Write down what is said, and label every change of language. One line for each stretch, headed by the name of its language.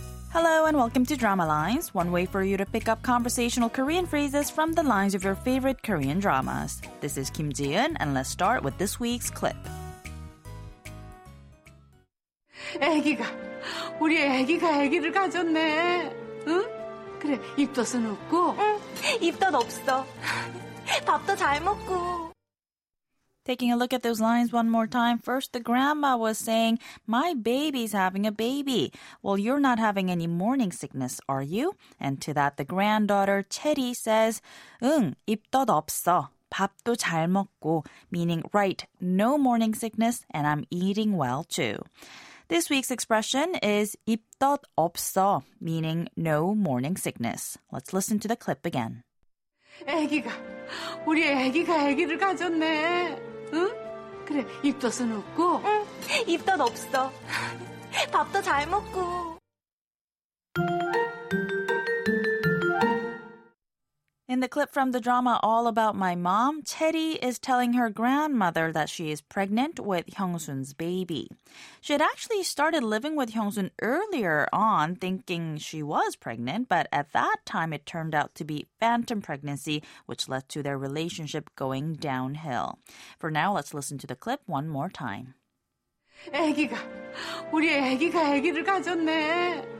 English: Hello and welcome to Drama Lines, one way for you to pick up conversational Korean phrases from the lines of your favorite Korean dramas. This is Kim Ji-eun, and let's start with this week's clip.
Korean: 애기가, 우리 애기가 애기를 가졌네. 응? 그래, 입덧은 없고? 응, 입덧 없어. 밥도 잘 먹고.
English: Taking a look at those lines one more time. First, the grandma was saying, my baby's having a baby. Well, you're not having any morning sickness, are you? And to that, the granddaughter, Chaeri, says,
Korean: 응, 입덧 없어. 밥도 잘 먹고.
English: Meaning, right, no morning sickness, and I'm eating well, too. This week's expression is
Korean: 입덧 없어,
English: meaning no morning sickness. Let's listen to the clip again.
Korean: 애기가, 우리 애기가 애기를 가졌네. 응? 그래, 입덧은 없고? 응, 입덧 없어. 밥도 잘 먹고.
English: In the clip from the drama All About My Mom, Chaeri is telling her grandmother that she is pregnant with Hyungsun's baby. She had actually started living with Hyungsun earlier on, thinking she was pregnant, but at that time it turned out to be phantom pregnancy, which led to their relationship going downhill. For now, let's listen to the clip one more time.
Korean: 애기가, 우리 애기가 애기를 가졌네.